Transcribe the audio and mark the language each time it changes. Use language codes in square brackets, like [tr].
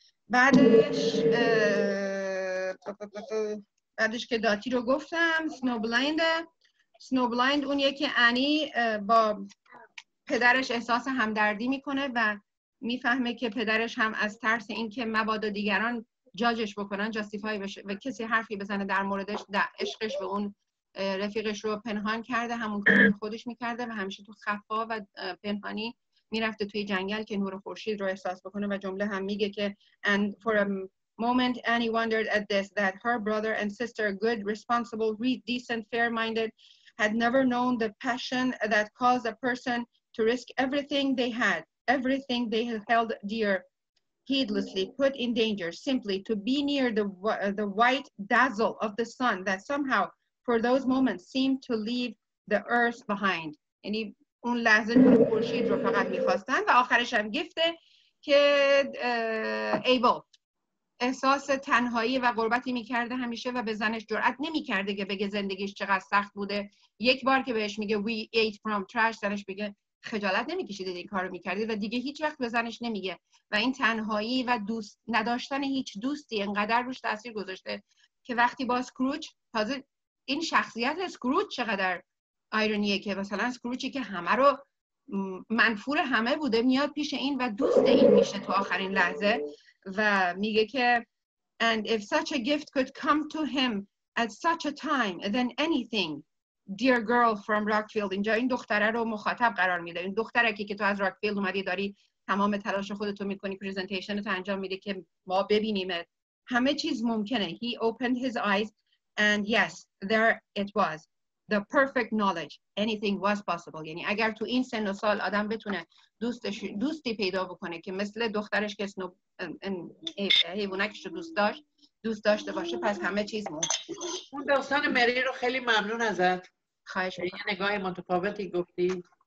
[fa] بعدش که داتی رو گفتم، سنو بلایند اونیه که انی با پدرش احساس همدردی میکنه و میفهمه که پدرش هم از ترس این که مبادا دیگران جاجش بکنن، جاستیفای بشه و کسی حرفی بزنه در موردش، در عشقش به اون رفیقش رو پنهان کرده، همون که خودش میکرده و همیشه تو خفا و پنهانی میرفته توی جنگل که نور خورشید رو احساس بکنه. و جمله هم میگه که [en] And for a moment Annie wondered at this that her brother and sister, good, responsible, decent, fair-minded, had never known the passion that caused a person to risk everything they had, everything they held dear, heedlessly put in danger, simply to be near the white dazzle of the sun that somehow for those moments seemed to leave the earth behind. [fa] یعنی اون لحظه نور خورشید رو فقط میخواستن. و آخرش هم گفته که ایبل احساس تنهایی و غربتی میکرده همیشه و به زنش جرأت نمیکرده که بگه زندگیش چقدر سخت بوده. یک بار که بهش میگه [en] we ate from trash، [fa] زنش میگه خجالت نمیکشیده این کارو میکردید، و دیگه هیچ وقت به زنش نمیگه. و این تنهایی و دوست نداشتن هیچ دوستی انقدر روش تاثیر گذاشته که وقتی با اسکروچ، تازه این شخصیت اسکروچ چقدر آیرونیه که مثلا اسکروچی که همه رو منفور همه بوده میاد پیش این و دوست این میشه تو آخرین لحظه و میگه که [en] and if such a gift could come to him at such a time then anything dear girl from Rockfield. [fa] اینجا این دختره رو مخاطب قرار میده، این دختره که تو از راکفیلد اومدی، داری تمام تلاش خودتو میکنی، پریزنتیشنتو انجام میده که ما ببینیم همه چیز ممکنه. [en] He opened his eyes and yes, there it was. The perfect knowledge. Anything was possible. [fa] یعنی اگر تو این سن و سال آدم بتونه دوستی پیدا بکنه که مثل دخترش که سنو حیوانکش رو دوست داشته باشه، پس همه چیز ممکنه. اون داستان مری رو خیلی ممنون ازت. خواهش می‌کنم. یه نگاه متفاوتی گفتی.